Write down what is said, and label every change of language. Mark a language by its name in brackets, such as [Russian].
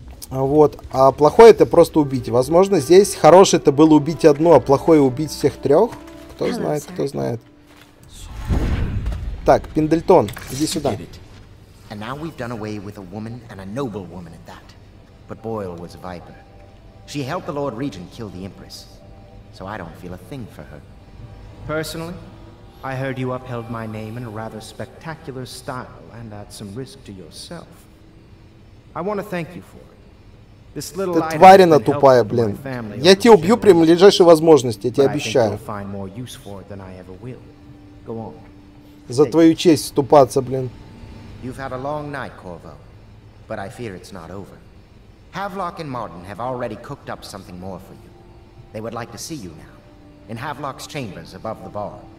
[Russian] Вот. А плохое это просто убить. Возможно, здесь хорошее это было убить одну, а плохое убить всех трех. Кто знает, кто знает. Так, Пендельтон, иди сюда. И теперь мы сделали с женщиной и с нобельной женщиной. [English] But Boyle was a viper. She helped the Lord Regent kill the Empress, so I don't feel a thing for her. Personally, I heard you upheld my name in a rather spectacular style and at some risk to yourself. I want to thank you for it. This little light has been helpful to my family. [Russian] Я тебя убью при ближайшей возможности, я тебе обещаю. [English] But I think you'll find more use for it than I ever will. Go on. [Russian] За твою честь ступаться, блин. [English] You've had a long night, Corvo, but I fear it's not over. Havelock and Martin have already cooked up something more for you. They would like to see you now, in Havelock's chambers above the bar.